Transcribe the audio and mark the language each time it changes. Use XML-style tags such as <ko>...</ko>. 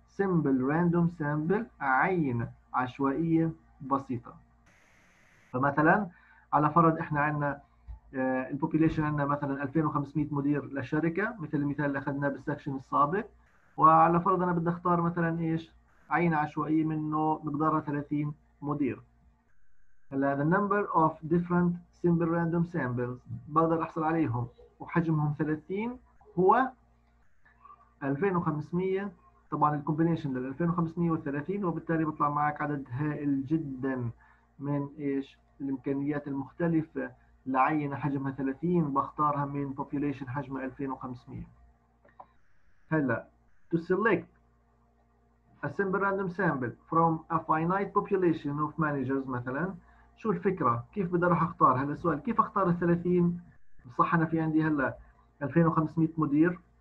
<ar>سامبل راندوم سامبل عينة عشوائية بسيطة. فمثلا على فرض احنا عندنا البوبيليشن عندنا مثلا 2500 مدير للشركة مثل المثال اللي اخذناه بالسكشن السابق. وعلى فرض انا بدي اختار مثلا ايش عينة عشوائية منه مقدارها 30 مدير. هلا</ar> <en>the number of different simple random samples</en> <ar>بقدر احصل عليهم وحجمهم 30 هو 2500. طبعا الكومبينيشن لل 2530 وبالتالي بيطلع معك عدد هائل جدا من ايش الامكانيات المختلفه لعينه حجمها 30 بختارها من population حجمها 2500. هلا</ar> <en>to select a simple random sample from a finite population of managers</en> <ar>مثلا شو الفكره؟ كيف بدي اروح اختار؟ هلا السؤال كيف اختار ال 30؟ صح انا في عندي هلا 2500 مدير.</ar>